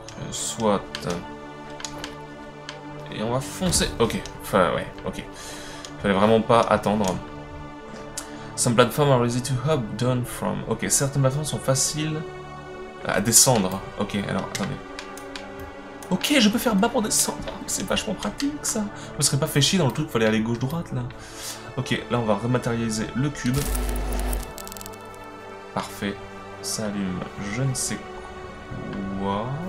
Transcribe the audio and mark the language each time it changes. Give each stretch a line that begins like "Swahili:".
French: Soit. Et on va foncer. Ok. Enfin, ouais, ok. Fallait vraiment pas attendre.
English: Some platforms are easy to hop down from.
French: Ok, certaines plateformes sont faciles à descendre. Ok, alors, attendez. Ok, je peux faire bas pour descendre. C'est vachement pratique, ça. Je me serais pas fait chier dans le truc, fallait aller gauche-droite, là. Ok, là, on va rematérialiser le cube. Parfait. Ça allume je ne sais quoi.